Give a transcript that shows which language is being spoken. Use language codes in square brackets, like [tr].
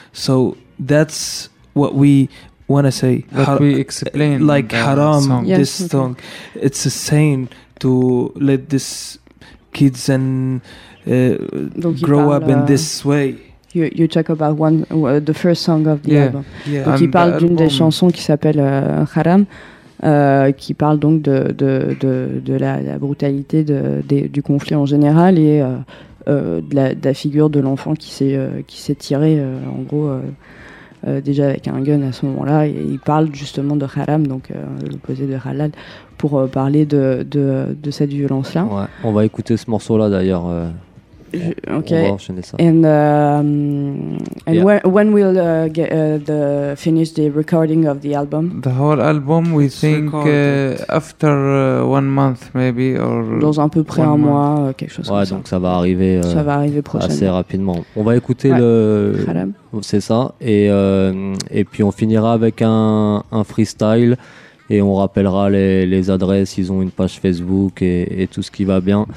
[en] So that's what we want to say. But we explain like haram song. Yes, this song, okay. It's a sin to let this kids and grow up in this way. You talk about one the first song of the yeah, album. Yeah. [fr] Donc il parle d'une album. Des chansons qui s'appelle Haram, qui parle donc de la brutalité du conflit en général et de la figure de l'enfant qui s'est tiré en gros. Déjà avec un gun à ce moment-là, et il parle justement de haram, donc l'opposé de halal, pour parler de cette violence-là. Ouais, on va écouter ce morceau-là d'ailleurs. [en] Okay. [fr] On va enchaîner ça. [en] And yeah. When will get the finish the recording of the album? The whole album, we It's think after 1 month maybe or [fr] dans un peu près un mois, quelque chose ouais, comme ça. Donc ça va arriver. Ça va arriver prochainement. Assez rapidement. On va écouter Haram. C'est ça. Et puis on finira avec un freestyle et on rappellera les adresses. Ils ont une page Facebook et tout ce qui va bien.